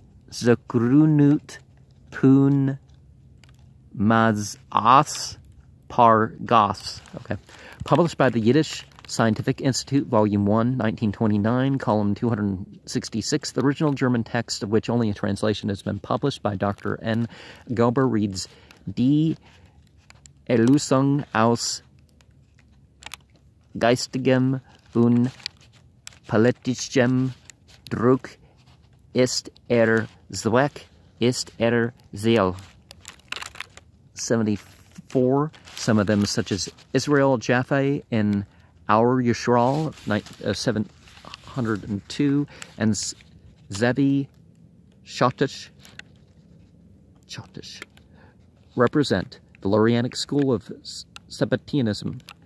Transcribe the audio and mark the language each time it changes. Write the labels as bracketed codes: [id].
[en] Zakrunut Pun Mazas Pargas, okay. Published by the Yiddish Scientific Institute, volume 1, 1929, column 266, the original German text, of which only a translation has been published by Dr. N. Gober, reads, D. [de] Erlösung aus Geistigem und politischem Druck ist Zweck, ist Ziel. [en] 74. Some of them, such as Israel Jaffe in Our Yisrael, 702, and Zevi Shottish, represent the Lurianic school of Sabbateanism.